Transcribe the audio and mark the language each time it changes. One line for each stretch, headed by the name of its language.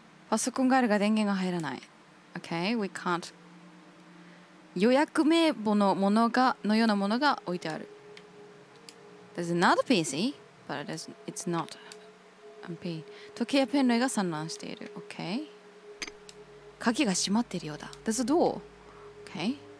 Japanese: パソコンがあるが電源が入らない。
English: Okay, we can't.
Japanese: 予約名簿のものがのようなものが置いてある。
English: There's another PC, but it's not a P.
Japanese: 時計やペン類が散乱している。
English: Okay.
Japanese: 鍵が閉まっているようだ。
English: There's a door. Okay.